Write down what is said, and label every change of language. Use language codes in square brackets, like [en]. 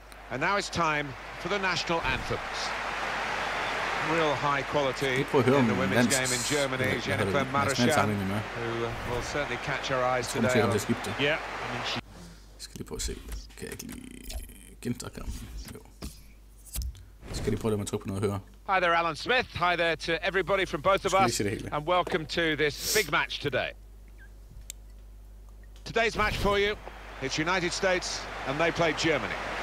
[en] And now it's time for the national anthems. Real high quality in the women's game in Germany. Jennifer Marischal, who will certainly catch her eyes today. Yeah, I mean she. [da] Skal lige prøve at se. Kan jeg ikke lige gentage kampen? Jo. Skal lige prøve at trykke på noget at høre. [en] Hi there, Alan Smith. Hi there to everybody from both of us. And welcome to this big match today. Today's match for you. It's United States, and they play Germany.